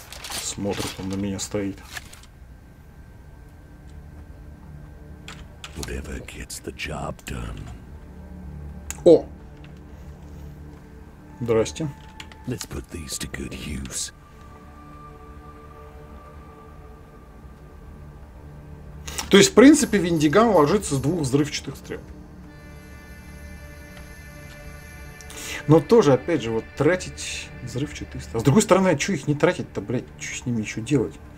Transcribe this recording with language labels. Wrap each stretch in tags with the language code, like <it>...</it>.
<ru>Смотрит, он на меня стоит.</ru> <en>Whatever gets the job done. О!</en> <ru>Здрасте.</ru> <en>Let's put these to good use.</en> <ru>То есть, в принципе, Виндиган ложится с двух взрывчатых стрел. Но тоже, опять же, вот тратить... Взрывчатые. А с другой стороны, а что их не тратить-то, блядь, что с ними еще делать?</ru>